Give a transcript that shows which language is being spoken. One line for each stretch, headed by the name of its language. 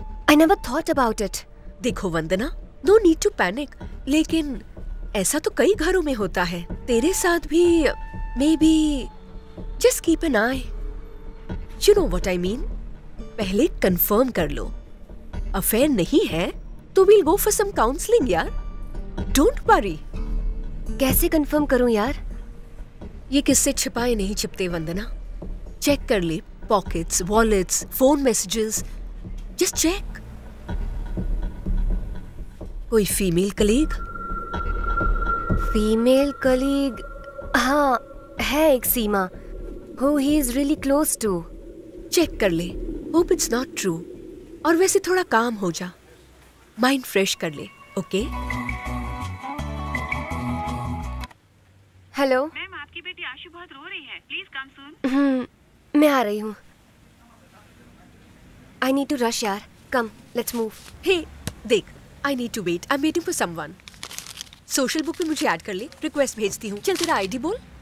English: I never thought about it.
Hindi: देखो वंदना,
English: no need to panic,
Hindi: लेकिन ऐसा तो कई घरों में होता है, तेरे साथ भी may be.
English: Just keep an eye. You know what I mean?
Hindi: पहले confirm कर लो।
English: Affair
Hindi: नहीं है, तो
English: we'll go for some counselling यार। Don't worry.
Hindi: कैसे confirm करूँ यार? ये किससे छिपाए नहीं छिपते वंदना।
English: Check
Hindi: कर ले
English: pockets, wallets, phone messages. Just check. कोई female colleague?
Hindi: Female colleague? हाँ, है एक सीमा।
English: Who he is really close to?
Hindi: Check कर ले।
English: Hope it's not true.
Hindi: और वैसे थोड़ा काम हो जा। Mind fresh कर ले, okay?
English: Hello.
Hindi: मैम आपकी बेटी आशु बहुत रो रही है।
English: Please come soon.
Hindi: मैं आ रही हूँ।
English: I need to rush यार। Come, let's move. Hey, देख, I need to wait. I'm waiting for someone.
Hindi: Social book में मुझे add कर ले। Request भेजती हूँ। चल तेरा ID बोल।